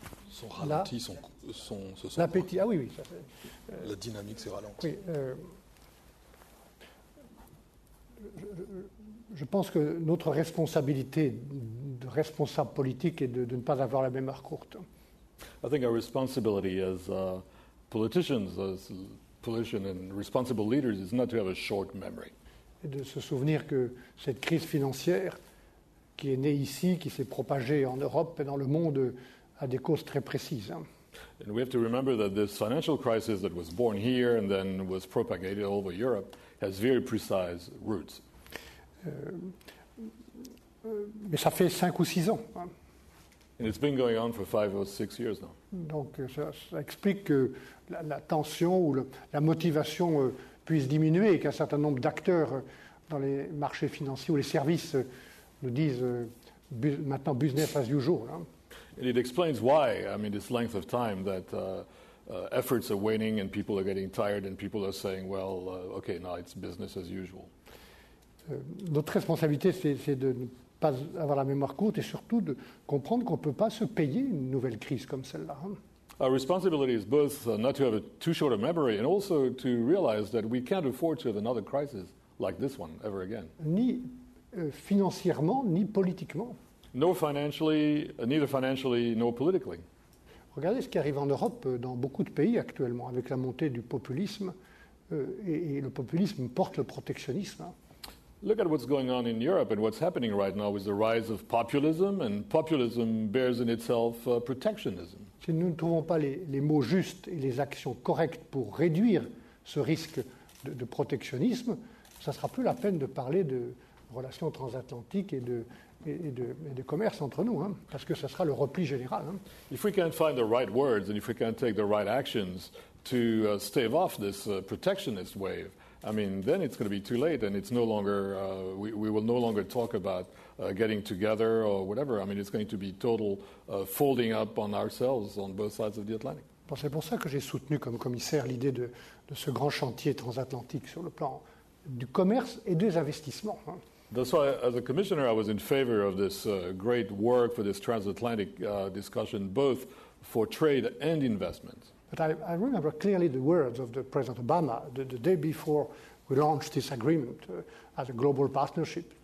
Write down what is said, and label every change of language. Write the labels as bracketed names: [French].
[French] Sont ralentis, sont l'appétit, ah oui. Ça, la dynamique s'est ralentie. Oui, je pense que notre responsabilité de responsable politique est de ne pas avoir la mémoire courte. [English] I think our responsibility as politicians, as politicians and responsible leaders, is not to have a short memory. [French] Et de se souvenir que cette crise financière qui est née ici, qui s'est propagée en Europe et dans le monde, a des causes très précises. [English] And we have to remember that this financial crisis that was born here and then was propagated all over Europe has very precise roots. [French] Mais ça fait 5 ou 6 ans. [English] And it's been going on for 5 or 6 years now. [French] Donc ça explique que la tension ou la motivation puisse diminuer et qu'un certain nombre d'acteurs dans les marchés financiers ou les services nous disent maintenant [English] business as usual. And it explains why, I mean, this length of time that efforts are waning and people are getting tired and people are saying, well, okay, now it's business as usual. [French] Notre responsabilité, c'est de ne pas avoir la mémoire courte et surtout de comprendre qu'on ne peut pas se payer une nouvelle crise comme celle-là. [English] Our responsibility is both not to have a too short a memory and also to realize that we can't afford to have another crisis like this one ever again. [French] Ni financièrement, ni politiquement. [English] Nor financially, neither financially nor politically. [French] Regardez ce qui arrive en Europe dans beaucoup de pays actuellement avec la montée du populisme et le populisme porte le protectionnisme. [English] Look at what's going on in Europe and what's happening right now with the rise of populism, and populism bears in itself protectionism. [French] Si nous ne trouvons pas les mots justes et les actions correctes pour réduire ce risque de protectionnisme, ça ne sera plus la peine de parler de relations transatlantiques et de commerce entre nous, hein, parce que ça sera le repli général. Hein. [English] If we can't find the right words and if we can't take the right actions to stave off this protectionist wave, I mean, then it's going to be too late, and it's no longer we will no longer talk about getting together or whatever. I mean, it's going to be total folding up on ourselves on both sides of the Atlantic. [French] C'est pour ça que j'ai soutenu comme commissaire l'idée de ce grand chantier transatlantique sur le plan du commerce et des investissements. [English] That's why, as a commissioner, I was in favor of this great work for this transatlantic discussion, both for trade and investment. But I remember clearly the words of the President Obama the day before we launched this agreement as a global partnership.